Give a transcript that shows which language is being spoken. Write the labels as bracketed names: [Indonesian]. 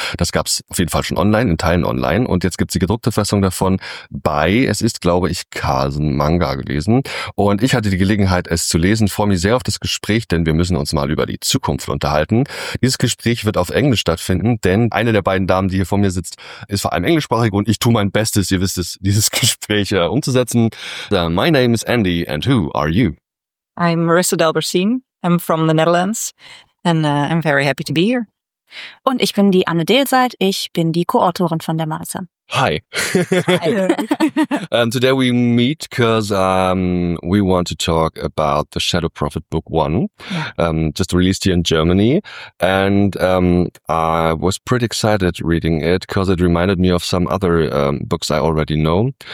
[German] Das gab es auf jeden Fall schon online, in Teilen online. Und jetzt gibt es die gedruckte Fassung davon bei, es ist, glaube ich, Carlsen Manga gelesen. Und ich hatte die Gelegenheit, es zu lesen. Freue mich sehr auf das Gespräch, denn wir müssen uns mal über die Zukunft unterhalten. Dieses Gespräch wird auf Englisch stattfinden, denn eine der beiden Damen, die hier vor mir sitzt, ist vor allem englischsprachig und ich tue mein Bestes, ihr wisst es, dieses Gespräch umzusetzen. [English] My name is Andy and who are you? I'm Marissa Delbersin. I'm from the Netherlands and I'm very happy to be here. [German] Und ich bin die Anne Delseid. Ich bin die Co-Autorin von der Marissa. [English] Hi. Hi. Today we meet because we want to talk about the Shadow Prophet Book 1, just released here in Germany. And I was pretty excited reading it because it reminded me of some other books I already know.